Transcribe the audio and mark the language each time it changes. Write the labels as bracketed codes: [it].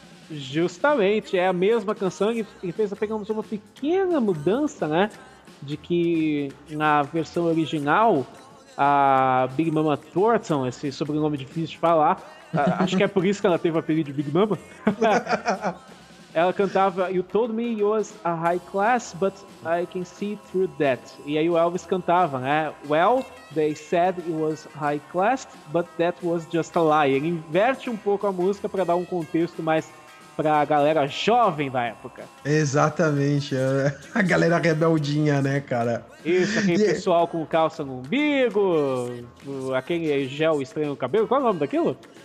[pt] Justamente, é a mesma canção, e fez apenas uma pequena mudança, né? De que na versão original, a Big Mama Thornton, esse sobrenome difícil de falar, acho que é por isso que ela teve o apelido de Big Mama. Ela cantava [en] "You told me you're a high class, but I can see through that." [pt] E aí o Elvis cantava, né? [en] "Well, they said it was high class, but that was just a lie." [pt] Ele inverte um pouco a música pra dar um contexto mais pra galera jovem da época. Exatamente. A galera rebeldinha, né, cara? Isso, aquele pessoal com calça no umbigo, aquele gel estranho no cabelo. Qual é o nome daquilo?